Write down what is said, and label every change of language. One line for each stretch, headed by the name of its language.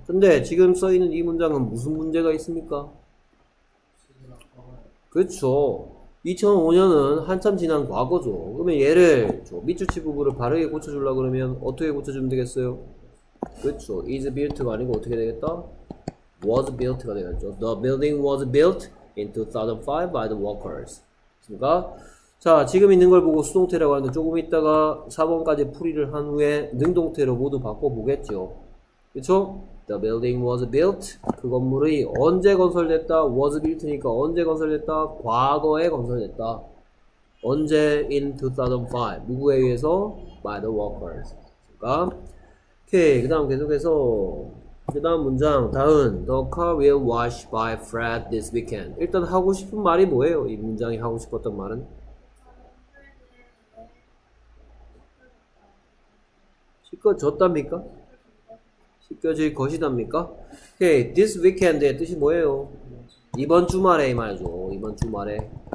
Korean: 근데 지금 써 있는 이 문장은 무슨 문제가 있습니까? 그렇죠. 2005년은 한참 지난 과거죠. 그러면 얘를 밑줄치 부분을 바르게 고쳐주려고 그러면 어떻게 고쳐주면 되겠어요? 그렇죠. is built가 아니고 어떻게 되겠다? was built가 되겠죠.
English: The building was built in 2005 by the workers.
Korean: 그러니까 자, 지금 있는 걸 보고 수동태라고 하는데 조금 있다가 4번까지 풀이를 한 후에 능동태로 모두 바꿔보겠죠. 그쵸?
English: The building was built.
Korean: 그 건물이 언제 건설됐다? was built니까 언제 건설됐다? 과거에 건설됐다. 언제?
English: In 2005.
Korean: 누구에 의해서?
English: By the workers.
Korean: 그니까. 오케이. 그 다음 계속해서. 그 다음 문장. 다음.
English: The car will wash by Fred this weekend.
Korean: 일단 하고 싶은 말이 뭐예요? 이 문장이 하고 싶었던 말은? 씻겨졌답니까? 씻겨질 것이답니까? Okay, this weekend의 뜻이 뭐예요? 이번 주말에 이 말이죠. 이번 주말에.